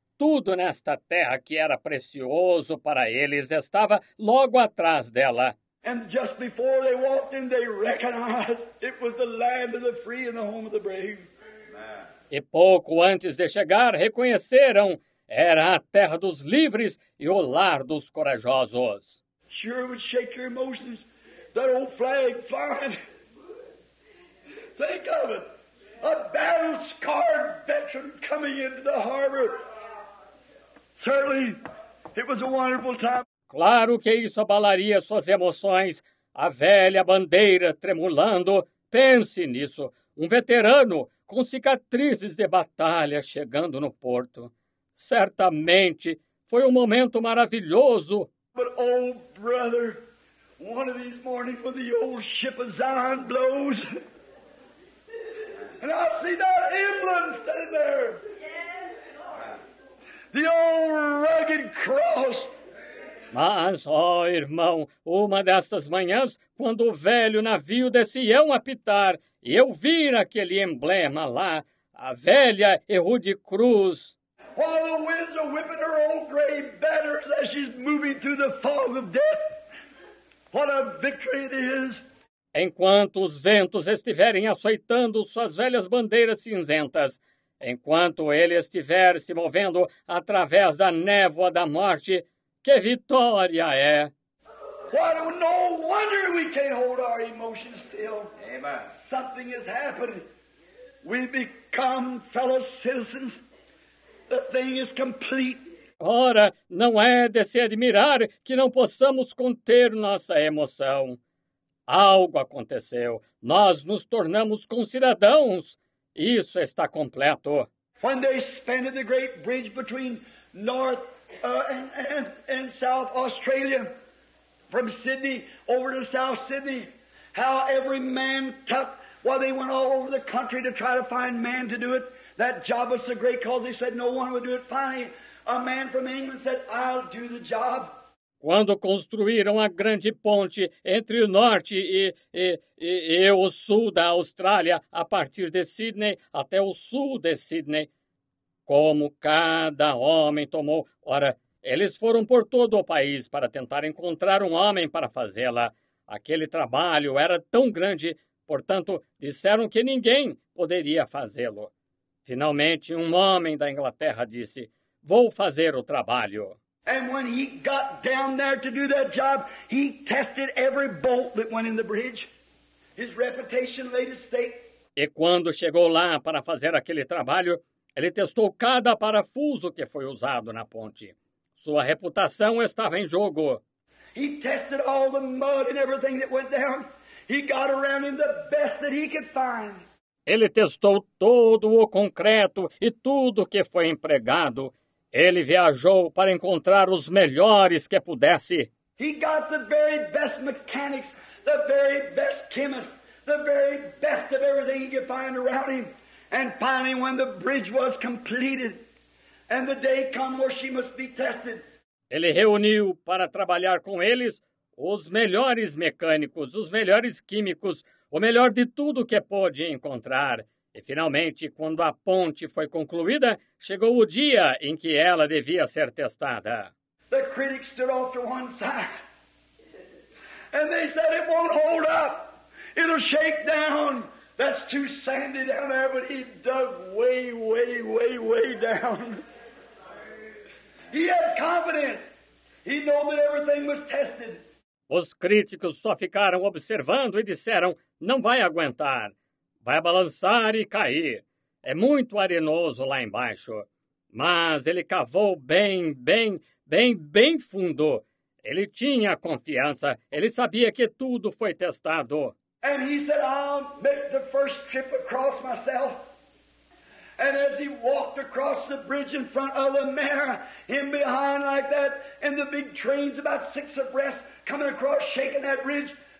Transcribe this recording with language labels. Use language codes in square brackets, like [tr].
[pt] Tudo nesta terra que era precioso para eles estava logo atrás dela. [en] And just before they walked in, they recognized it was the land of the free and the home of the brave. [pt] E pouco antes de chegar, reconheceram era a terra dos livres e o lar dos corajosos. [en] Sure would shake your emotions, that old flag flying. Think of it, a battle-scarred veteran coming into the harbor. Certainly, it was a wonderful time. [pt] Claro que isso abalaria suas emoções. A velha bandeira tremulando. Pense nisso. Um veterano com cicatrizes de batalha chegando no porto. Certamente, foi um momento maravilhoso. [en] But, oh, brother, one of these mornings when the old ship of Zion blows, and I'll see that emblem standing there. The old rugged cross. [pt] Mas, oh, irmão, uma destas manhãs, quando o velho navio de Sião apitar, e eu vir aquele emblema lá, a velha e rude cruz. [en] While the winds are whipping her old gray banners as she's moving through the fog of death, what a victory it is. [pt] Enquanto os ventos estiverem açoitando suas velhas bandeiras cinzentas, enquanto ele estiver se movendo através da névoa da morte, que vitória é! [en] Why, no wonder we can't hold our emotions still. Amen. Something has happened. We become fellow citizens. The thing is complete. [pt] Ora, não é de se admirar que não possamos conter nossa emoção. Algo aconteceu. Nós nos tornamos concidadãos. Isso está completo. [en] When they spanned the great bridge between North and South Australia, from Sydney over to South Sydney, how every man took while they went all over the country to try to find man to do it. That job was so great because they said no one would do it. Finally, a man from England said, I'll do the job. [pt] Quando construíram a grande ponte entre o norte e o sul da Austrália, a partir de Sydney até o sul de Sydney, como cada homem tomou. Ora, eles foram por todo o país para tentar encontrar um homem para fazê-la. Aquele trabalho era tão grande, portanto, disseram que ninguém poderia fazê-lo. Finalmente, um homem da Inglaterra disse, vou fazer o trabalho. [en] And when he got down there to do that job, he tested every bolt that went in the bridge. His reputation laid at stake. [pt] E quando chegou lá para fazer aquele trabalho, ele testou cada parafuso que foi usado na ponte. Sua reputação estava em jogo. [en] He tested all the mud and everything that went down. He got around him the best that he could find. [pt] Ele testou todo o concreto e tudo que foi empregado. Ele viajou para encontrar os melhores que pudesse. [en] He got the very best mechanics, the very best chemists, the very best of everything he could find around him. And finally, when the bridge was completed, and the day come where she must be tested. [pt] Ele reuniu para trabalhar com eles os melhores mecânicos, os melhores químicos, o melhor de tudo que pôde encontrar. E finalmente, quando a ponte foi concluída, chegou o dia em que ela devia ser testada. [en] The critics stood off to one side. And they said, it won't hold up. It'll shake down. That's too sandy down there, but he dug way, way, way, way down. He had confidence. He knew that everything was tested. [pt] Os críticos só ficaram observando e disseram, não vai aguentar. Vai balançar e cair. É muito arenoso lá embaixo. Mas ele cavou bem, bem, bem, bem fundo. Ele tinha confiança. Ele sabia que tudo foi testado. [en] And he said, I'll make the first trip across myself. And as he walked across the bridge in front of the mayor, him behind like that, and the big trains about six abreast coming across, shaking that bridge.